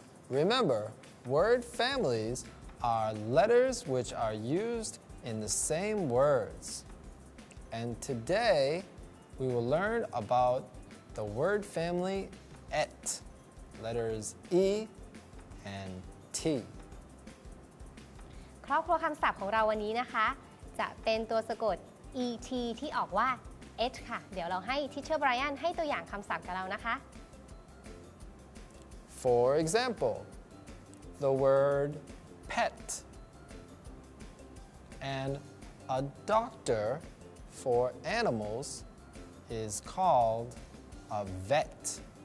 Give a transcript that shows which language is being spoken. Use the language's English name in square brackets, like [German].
[English] Remember, word families are letters which are used in the same words. And today, we will learn about the word family et, letters E and T. [Thai] ครอบครัวคำศัพท์ของเราวันนี้นะคะจะเป็นตัวสะกด et ที่ออกว่า et ค่ะเดี๋ยวเราให้ทิเชอร์ไบรอันให้ตัวอย่างคำศัพท์กับเรานะคะ [English] For example, the word pet and a doctor for animals is called a vet.